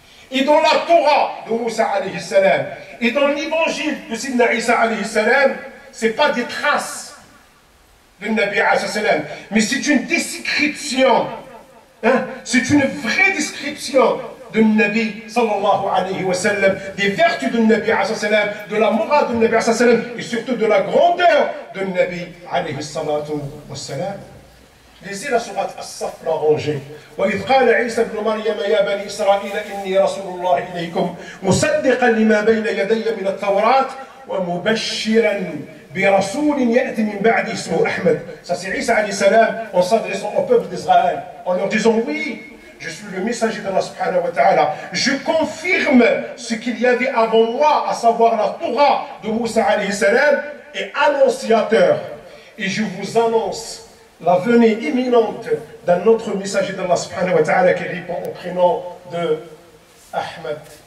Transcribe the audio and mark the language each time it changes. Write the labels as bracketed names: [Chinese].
[French] Et dans la Torah de Moussa alayhi salam, et dans l'évangile de Sidna Isa alayhi salam, c'est pas des traces du Nabi alayhi salam, mais c'est une description, hein? C'est une vraie description du Nabi sallallahu alayhi wa sallam, des vertus du Nabi alayhi salam, de la morale du Nabi alayhi salam, et surtout de la grandeur du Nabi alayhi salatu wa salam. Lisez la sourate As-Saff, la rangée. [Arabic] « وَإِذْ قَالَ عِيسَى بْنُ مَرْيَمَ يَا بَنِي إِسْرَائِيلَ إِنِّي رَسُولُ اللَّهِ إِلَيْكُمْ مُصَدِّقًا لِمَا بَيْنَ يَدَيَّ مِنَ التَّوْرَاةِ وَمُبَشِّرًا بِرَسُولٍ يَأْتِي مِنْ بَعْدِي اسْمُهُ أَحْمَدُ » [French] Ça c'est Isa alayhi salam en s'adressant au peuple d'Israël en leur disant « Oui, je suis le messager d'Allah subhanahu wa ta'ala. Je confirme ce qu'il y avait avant moi, à savoir la Torah de Moussa alayhi salam, et annonciateur. Et je vous annonce la venue imminente d'un autre messager d'Allah subhanahu wa ta'ala qui répond au prénom de Ahmed.